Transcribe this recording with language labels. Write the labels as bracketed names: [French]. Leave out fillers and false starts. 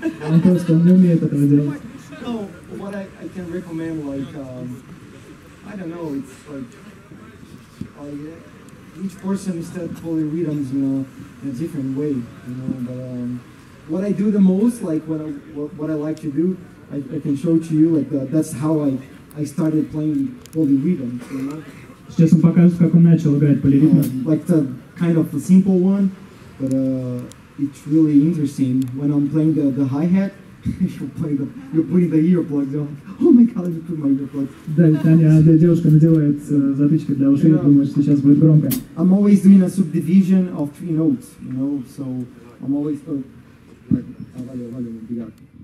[Russian] Он просто не умеет этого делать. [English] No, what I can recommend, like, I don't know, it's like, each person is that polyrhythms, you know, in a different way, you know, but what I do the most, like, what I like to do, I can show to you, like, that's how I started playing polyrhythms, you know. [Russian] Сейчас он покажет, как он начал играть полиритм. [English] Like the kind of a simple one, but it's really interesting. When I'm playing the hi-hat, you're putting the earplugs on. Oh my god, you put my earplugs. [Russian] Да, Таня, девушка надевает затычки для ушей, думает, что сейчас будет громко. [English] I'm always doing a subdivision of three notes, you know, so I'm always...